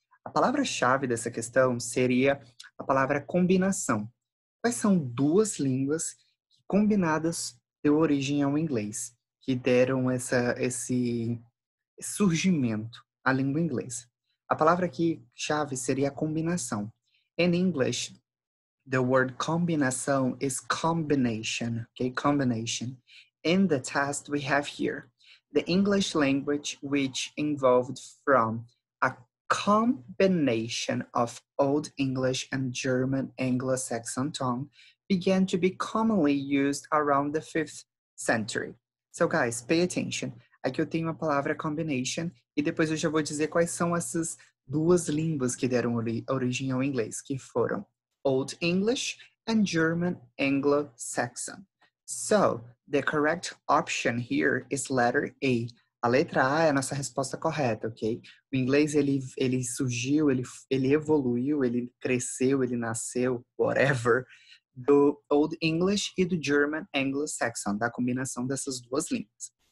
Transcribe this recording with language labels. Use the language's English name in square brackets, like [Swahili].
[Portuguese] A palavra-chave dessa questão seria a palavra combinação. Quais são duas línguas que combinadas deu origem ao inglês, que deram esse surgimento à língua inglesa? A palavra aqui, chave, seria combinação. [English] In English, the word combinação is combination, okay? Combination. In the test we have here, the English language which evolved from a combination of Old English and German Anglo-Saxon tongue began to be commonly used around the 5th century. So guys, pay attention. [Portuguese] Aqui eu tenho a palavra combination e depois eu já vou dizer quais são essas duas línguas que deram origem ao inglês, que foram Old English and German Anglo-Saxon. [English] So, the correct option here is letter A. [Portuguese] A letra A é a nossa resposta correta, ok? O inglês, ele surgiu, ele evoluiu, ele cresceu, ele nasceu, whatever, do Old English e do German Anglo-Saxon, da combinação dessas duas línguas.